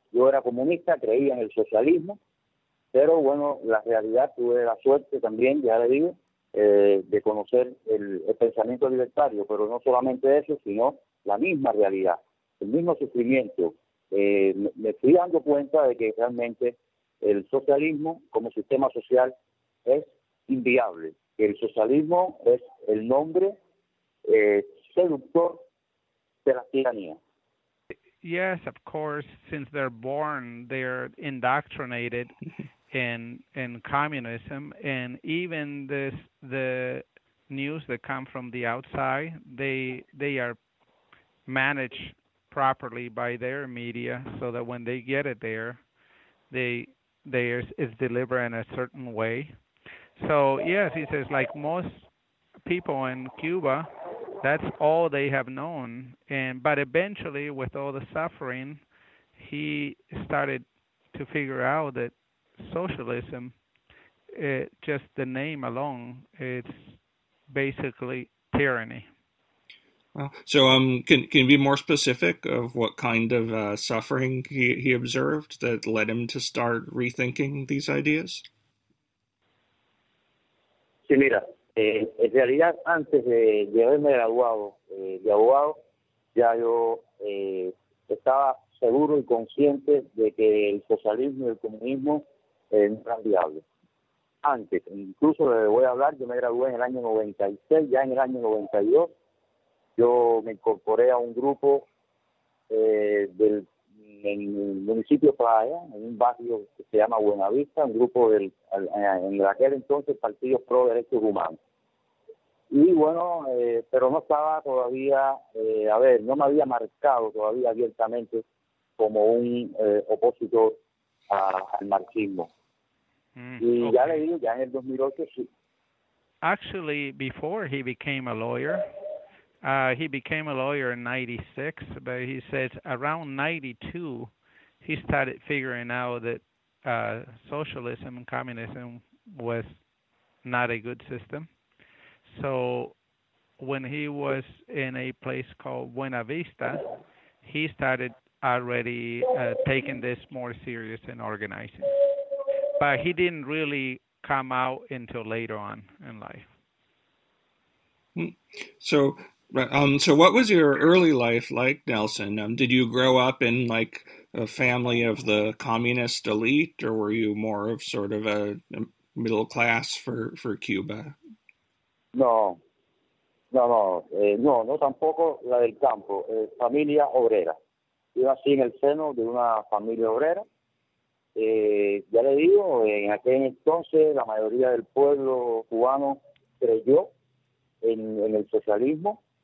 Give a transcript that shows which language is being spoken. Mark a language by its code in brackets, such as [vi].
[es] Yo era comunista, creía en el socialismo, pero bueno, la realidad, tuve la suerte también, ya le digo, de conocer el pensamiento libertario, pero no solamente eso, sino la misma realidad, el mismo sufrimiento. Me fui dando cuenta de que realmente el socialismo como sistema social es inviable, que el socialismo es el nombre seductor de la tiranía. [en] Yes, of course, since they're born, they're indoctrinated in communism, and even the news that come from the outside, they are managed properly by their media, so that when they get it there, it's delivered in a certain way. So, yes, he says, like most people in Cuba, that's all they have known. But eventually, with all the suffering, he started to figure out that socialism, just the name alone, it's basically tyranny. Well, so can you be more specific of what kind of suffering he observed that led him to start rethinking these ideas? [es] Sí, mira. En realidad, antes de haberme graduado de abogado, ya yo estaba seguro y consciente de que el socialismo y el comunismo no eran viables. Antes, incluso le voy a hablar, yo me gradué en el año 96, ya en el año 92, yo me incorporé a un grupo del en el municipio Playa, en un barrio que se llama Buenavista, un grupo del en aquel entonces Partido Pro Derechos Humanos. Y bueno, pero no estaba todavía, no me había marcado todavía abiertamente como un opositor al marxismo. Ya le digo, ya en el 2008 sí. [en] Actually, before he became a lawyer, he became a lawyer in 96, but he says around 92, he started figuring out that socialism and communism was not a good system. So when he was in a place called Buena Vista, he started already taking this more serious and organizing. But he didn't really come out until later on in life. So what was your early life like, Nelson? Did you grow up in like a family of the communist elite, or were you more of sort of a middle class for Cuba? [es] No, tampoco la del campo, familia obrera. Yo nací en el seno de una familia obrera. Ya le digo, en aquel entonces la mayoría del pueblo cubano creyó en el socialismo.